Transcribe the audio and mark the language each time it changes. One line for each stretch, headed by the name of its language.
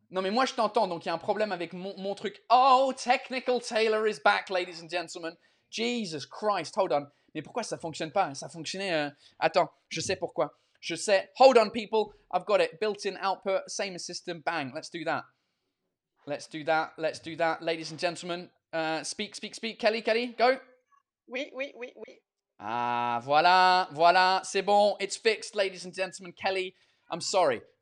French: Non, mais moi, je t'entends, donc il y a un problème avec mon truc.
English: Oh, Technical Taylor is back, ladies and gentlemen. Jesus Christ, hold on.
French: Mais pourquoi ça fonctionne pas? Ça fonctionnait... Attends, je sais pourquoi. Je sais...
English: Hold on, people. I've got it. Built-in output, same as system. Bang, let's do that. Let's do that. Ladies and gentlemen, speak. Kelly, go.
French: Oui. Ah, voilà, c'est bon.
English: It's fixed, ladies and gentlemen. Kelly, I'm sorry.